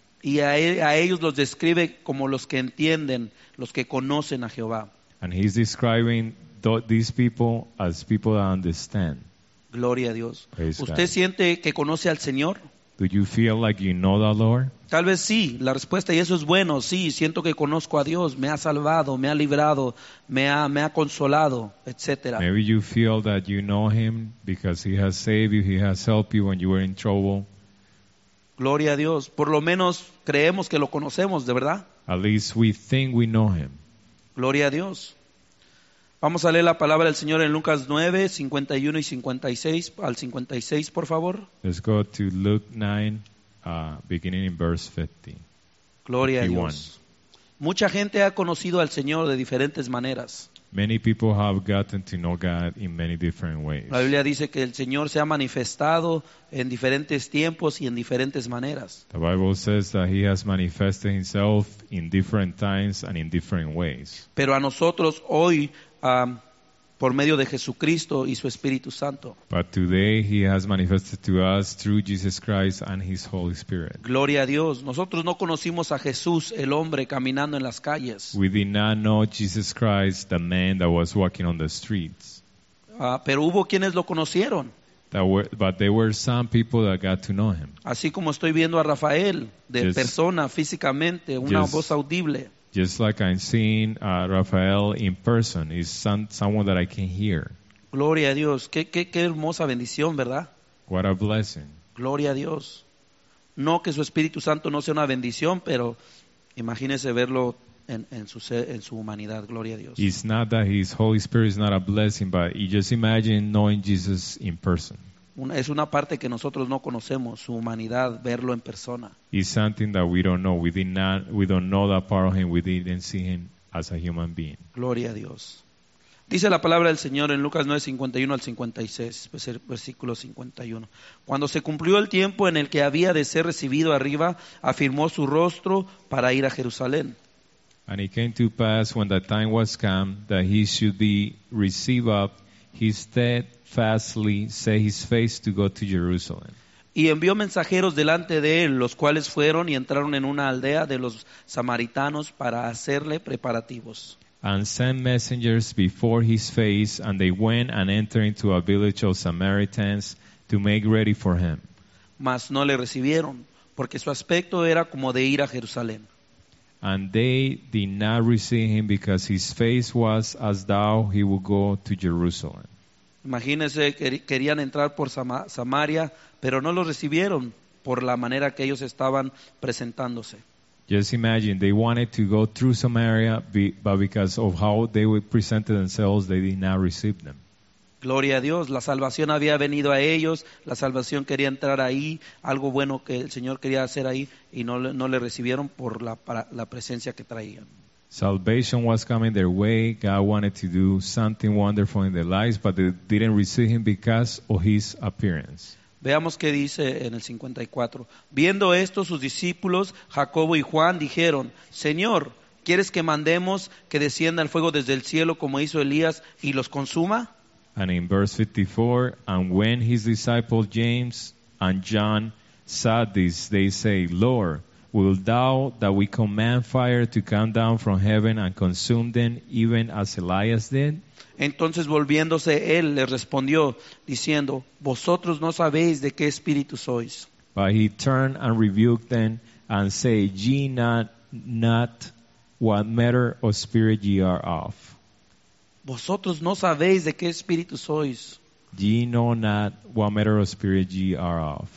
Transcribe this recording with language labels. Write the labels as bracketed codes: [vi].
[es] Y a ellos los describe como los que entienden, los que conocen a Jehová. [en] And he's describing these people as people that understand. [es] Gloria a Dios. [en] Praise [es] ¿Usted [en] God. [es] Siente que conoce al Señor? [en] Do you feel like you know the Lord? [es] Tal vez sí, la respuesta y eso es bueno, sí, siento que conozco a Dios, me ha salvado, me ha librado, me ha consolado, etc. [en] Maybe you feel that you know Him because He has saved you, He has helped you when you were in trouble. [es] Gloria a Dios, por lo menos creemos que lo conocemos, ¿de verdad? [en] At least we think we know Him. [es] Gloria a Dios. Vamos a leer la palabra del Señor en Lucas 9, 51 y 56, al 56, por favor. [en] Let's go to Luke 9, beginning in verse 50. [es] Gloria 51. A Dios. Mucha gente ha conocido al Señor de diferentes maneras. [en] Many people have gotten to know God in many different ways. [es] La Biblia dice que el Señor se ha manifestado en diferentes tiempos y en diferentes maneras. [en] The Bible says that He has manifested Himself in different times and in different ways. [es] Pero a nosotros hoy, por medio de Jesucristo y su Espíritu Santo. [en] But today He has manifested to us through Jesus Christ and His Holy Spirit. [es] Gloria a Dios. Nosotros no conocimos a Jesús, el hombre, caminando en las calles. [en] We did not know Jesus Christ, the man that was walking on the streets. [es] Pero hubo quienes lo conocieron. [en] But there were some people that got to know Him. [es] Así como estoy viendo a Rafael, de just, persona, físicamente, una just, voz audible. [en] Just like I'm seeing Rafael in person, is someone that I can hear. [es] Gloria a Dios. Qué hermosa bendición, ¿verdad? [en] What a blessing. [es] Gloria a Dios. No que su Espíritu Santo no sea una bendición, pero imagínese verlo en su humanidad. Gloria a Dios. [en] It's not that His Holy Spirit is not a blessing, but you just imagine knowing Jesus in person. [es] Es una parte que nosotros no conocemos, su humanidad, verlo en persona. [en] It's something that we don't know. We don't know that part of Him. We didn't see Him as a human being. [es] Gloria a Dios. Dice la palabra del Señor en Lucas 9, 51 al 56, versículo 51. Cuando se cumplió el tiempo en el que había de ser recibido arriba, afirmó su rostro para ir a Jerusalén. [en] And it came to pass when the time was come that he should be received up, he said, fastly set his face to go to Jerusalem. [es] Y envió mensajeros delante de él, los cuales fueron y entraron en una aldea de los samaritanos para hacerle preparativos. [en] And sent messengers before his face, and they went and entered into a village of Samaritans to make ready for him. [es] Mas no le recibieron, porque su aspecto era como de ir a Jerusalén. [en] And they did not receive him because his face was as though he would go to Jerusalem. [es] Imagínense, querían entrar por Samaria, pero no lo recibieron por la manera que ellos estaban presentándose. [en] Just imagine, they wanted to go through Samaria, but because of how they were presented themselves, they did not receive them. [es] Gloria a Dios, la salvación había venido a ellos, la salvación quería entrar ahí, algo bueno que el Señor quería hacer ahí, y no le recibieron por la presencia que traían. [en] Salvation was coming their way, God wanted to do something wonderful in their lives, but they didn't receive him because of his appearance. [es] Veamos qué dice en el 54. Viendo esto, sus discípulos, Jacobo y Juan, dijeron, Señor, ¿quieres que mandemos que descienda el fuego desde el cielo como hizo Elías y los consuma? [en] And in verse 54, and when his disciples James and John saw this, they say, Lord, wilt thou that we command fire to come down from heaven and consume them even as Elias did? [es] Entonces volviéndose él le respondió diciendo, vosotros no sabéis de qué espíritu sois. [en] But he turned and rebuked them and said, ye not what matter of spirit ye are of. [es] Vosotros no sabéis de qué espíritu sois. [en] Ye know not what matter of spirit ye are of.